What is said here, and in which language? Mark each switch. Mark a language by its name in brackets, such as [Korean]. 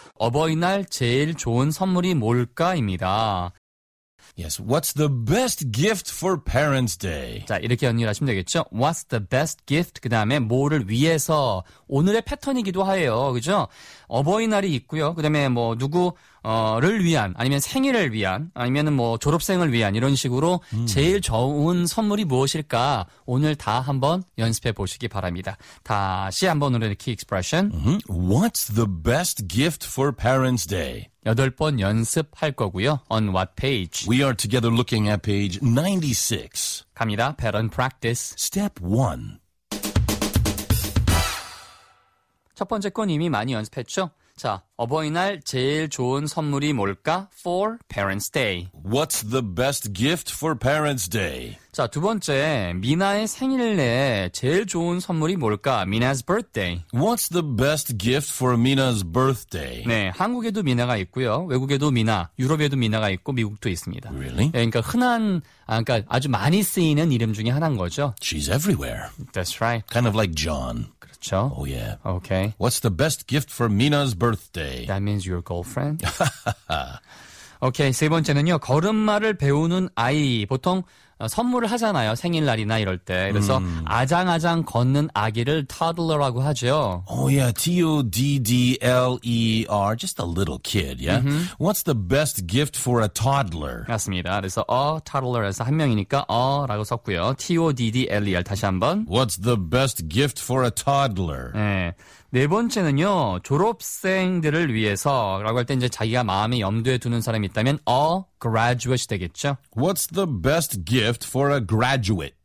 [Korean] 어버이날 제일 좋은 선물이 뭘까입니다. [English] Yes, what's the best gift for Parents' Day? [Korean] 자, 이렇게 연결 하시면 되겠죠. [English] What's the best gift? [Korean] 그 다음에 뭐를 위해서 오늘의 패턴이기도 해요. 그죠? 어버이날이 있고요. 그 다음에 뭐 누구를 위한 아니면 생일을 위한 아니면 뭐 졸업생을 위한 이런 식으로 제일 좋은 선물이 무엇일까 오늘 다 한번 연습해 보시기 바랍니다. 다시 한번 오늘의 key expression. [English] What's the best gift for Parents' Day? [Korean] 여덟 번 연습할 거고요. [English] On what page? We are together looking at page 96. [Korean] 갑니다. [English] Pattern practice. Step 1. [Korean] 첫 번째 건 이미 많이 연습했죠? 자, 어버이날 제일 좋은 선물이 뭘까? [English] For Parents' Day. What's the best gift for Parents' Day? [Korean] 자, 두 번째, 미나의 생일에 제일 좋은 선물이 뭘까? [English] Mina's birthday. What's the best gift for Mina's birthday? [Korean] 네, 한국에도 미나가 있고요. 외국에도 미나, 유럽에도 미나가 있고 미국도 있습니다. [English] Really? [Korean] 네, 그러니까 그러니까 아주 많이 쓰이는 이름 중에 하나인 거죠. [English] She's everywhere. That's right. Kind of like John. [Korean] 그렇죠. [English] Oh, yeah. Okay. What's the best gift for Mina's birthday? That means your girlfriend. [Korean] Okay, 세 번째는요. 걸음마를 배우는 아이. 보통 선물을 하잖아요. 생일날이나 이럴 때. 그래서 아장아장 걷는 아기를 toddler라고 하죠. [English] Oh, yeah. T-O-D-D-L-E-R. Just a little kid, yeah? Mm-hmm. What's the best gift for a toddler? [Korean] 맞습니다. 그래서 a toddler에서 한 명이니까 a라고 썼고요. T-O-D-D-L-E-R 다시 한번. [English] What's the best gift for a toddler? [Korean] 네. 네 번째는요. 졸업생들을 위해서라고 할 때 이제 자기가 마음에 염두에 두는 사람이 있다면 a graduate 되겠죠. [English] What's the best gift for a graduate?